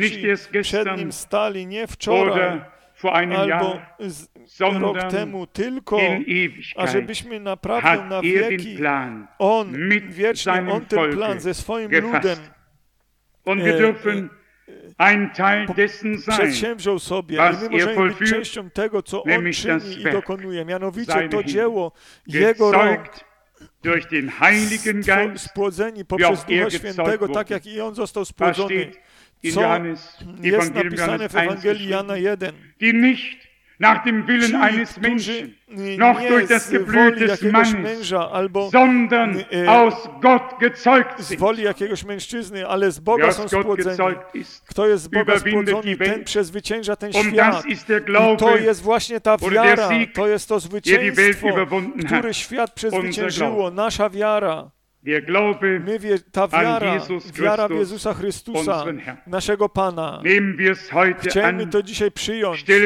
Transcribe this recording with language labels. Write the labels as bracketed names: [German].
[German] Nicht erst gestern oder vor einem Jahr, sondern in Ewigkeit hat er den Plan mit seinem Volke gefasst. Und wir dürfen ein Teil dessen sein, was er vollführt, [Polish] tego, co [German] nämlich [Polish] on [German] das Werk, [Polish] i dokonuje, mianowicie to dzieło Jego rąk, [German] durch den Heiligen Geist, [Polish] spłodzeni poprzez Ducha Świętego, tak jak i On został spłodzony, co jest napisane w Ewangelii Jana 1, [German] die nicht nach dem Willen eines Menschen, noch durch das Geblüt des Mannes, sondern aus Gott gezeugt sind. [Polish] Z woli jakiegoś mężczyzny, ale z Boga są spłodzeni. Kto jest z Boga spłodzony, ten przezwycięża ten świat. I to jest właśnie ta wiara, to jest to zwycięstwo, które świat przezwyciężyło, nasza wiara. My, ta wiara w Jezusa Chrystusa, naszego Pana, chcemy to dzisiaj przyjąć.